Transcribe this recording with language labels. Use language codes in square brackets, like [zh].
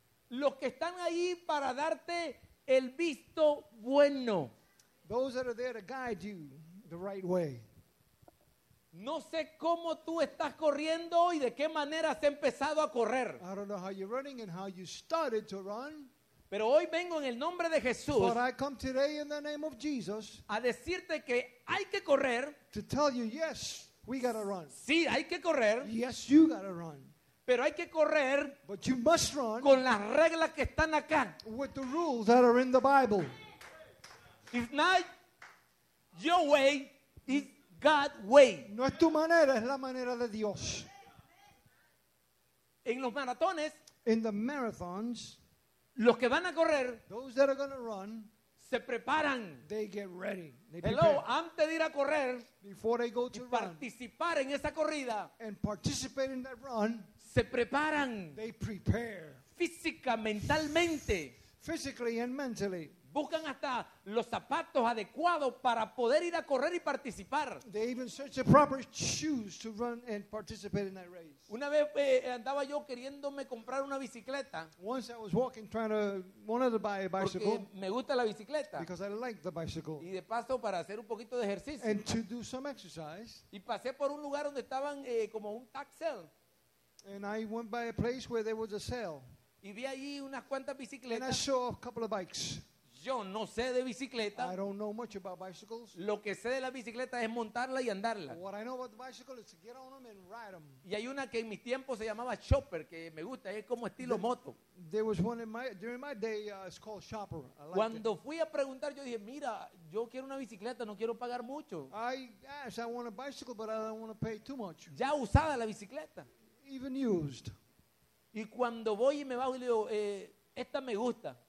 [es] Los que están ahí para darte el visto bueno. [en] Those that are there to guide you the right way. [es] No sé cómo tú estás corriendo y de qué manera has empezado a correr. [en] I don't know how you're running and how you started to run. [es] Pero hoy vengo en el nombre de Jesús. [en] But I come today in the name of Jesus. [es] A decirte que hay que correr. [en] To tell you, yes, we gotta run. [es] Sí, hay que correr. [en] Yes, you gotta run. [es] Pero hay que correr. [en] But you must run. [es] Con las reglas que están acá. [en] With the rules that are in the Bible. If not your way, it's God's way. [es] No es tu manera, es la manera de Dios. En los maratones. [en] In the marathons. [es] Los que van a correr, [en] those that are gonna run, [es] se preparan. [en] They get ready. They hello, prepare. [es] Antes de ir a correr, [en] before they go to [es] run, participar en esa corrida, [en] and participate in that run, [es] se preparan. [en] They prepare. [es] Física, mentalmente. [en] Physically and mentally. [es] Buscan hasta los zapatos adecuados para poder ir a correr y participar. [en] They even search the proper shoes to run and participate in that race. [es] Una vez andaba yo queriéndome comprar una bicicleta. [en] Once I was walking trying to wanted to buy a bicycle. [es] Porque me gusta la bicicleta. [en] Because I like the bicycle. [es] Y de paso para hacer un poquito de ejercicio. [en] And to do some exercise. [es] Y pasé por un lugar donde estaban como un [en] tax sale. And I went by a place where there was a sale. [es] Y vi allí unas cuantas bicicletas. [en] And I saw a couple of bikes. [es] Yo no sé de bicicleta. [en] I don't know much about bicycles. [es] Lo que sé de la bicicleta es montarla y andarla. [en] What I know about the bicycle is to get on them and ride them. [es] Y hay una que en mi tiempo se llamaba chopper, que me gusta, es como estilo moto. [en] There was one in my, during my day, it's called chopper. I liked [es] Cuando [en] it. [es] Fui a preguntar, yo dije, mira, yo quiero una bicicleta, no quiero pagar mucho. [en] I asked, I want a bicycle, but I don't want to pay too much. [es] Ya usada la bicicleta. [en] Even used. [es] Y cuando voy y me bajo y le digo, esta me gusta.